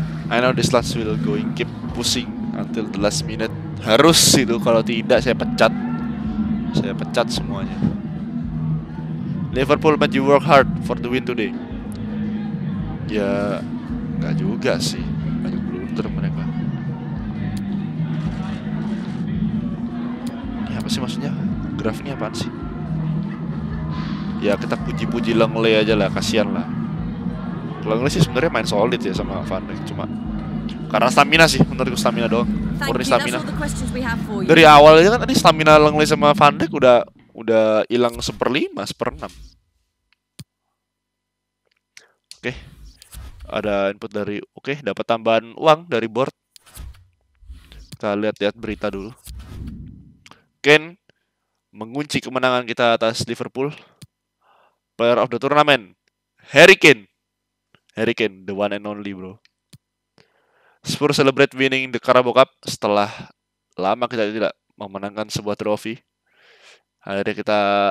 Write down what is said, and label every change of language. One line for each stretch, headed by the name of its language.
English: I know this last will going keep pushing until the last minute.
Indonesian: Harus itu, kalau tidak saya pecat semuanya.
English: Liverpool made you work hard for the win today.
Indonesian: Ya, enggak juga sih. Banyak blunder mereka. Ini apa sih maksudnya? Graf ini apaan sih? Ya, kita puji-puji Langley aja lah, kasihan lah. Langley sih sebenarnya main solid ya sama Van Dijk, cuma karena stamina sih, menurutku stamina doang. Murni stamina. Dari awal aja kan tadi stamina Langley sama Van Dijk udah hilang 1/5, 1/6. Oke. Okay. Ada input dari dapat tambahan uang dari board. Kita lihat berita dulu. Kane mengunci kemenangan kita atas Liverpool.
English: Player of the tournament, Harry Kane, the one and only, bro. Spurs celebrate winning the Carabao Cup
Indonesian: setelah lama kita tidak memenangkan sebuah trofi. Akhirnya kita